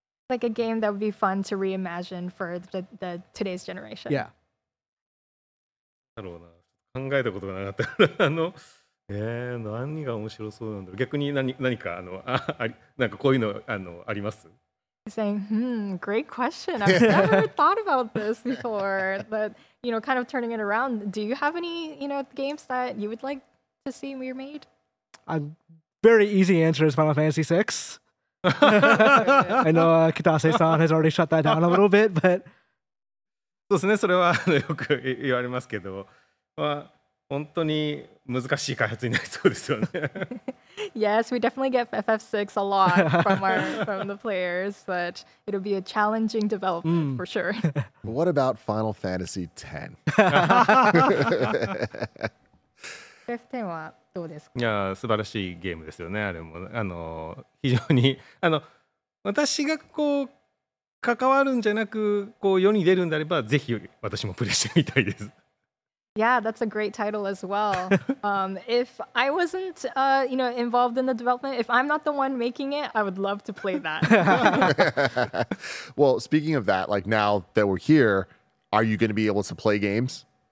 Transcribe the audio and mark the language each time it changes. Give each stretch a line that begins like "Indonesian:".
English: Like a game that would be fun to reimagine for the today's generation. Yeah.
Japanese: 考えたことがなかったから何が面白そうなんだろう。逆に 何か なんかこういうのあります。
English: He's saying, great question. I've never thought about this before. But, you know, kind of turning it around, do you have any, you know, games that you would like to see remade? A very easy answer is Final Fantasy VI. I know Kitase-san has already shut that down a little bit, but...
Japanese: そうですね、それはよく言われますけど、本当に難しい開発になりそうですよね。
English: Yes, we definitely get FF6 a lot from the players, but it'll be a challenging development for sure. What about Final Fantasy X?
Japanese: FF10 はどうですか？いや、素晴らしいゲームですよね。あれも非常に私がこう関わるんじゃなくこう世に出るんであれば、ぜひ私もプレイしてみたいです。
English: Yeah, that's a great title as well. if I wasn't, you know, involved in the development, if I'm not the one making it, I would love to play that. Well, speaking of that, like now that we're here, are you going to be able to play games?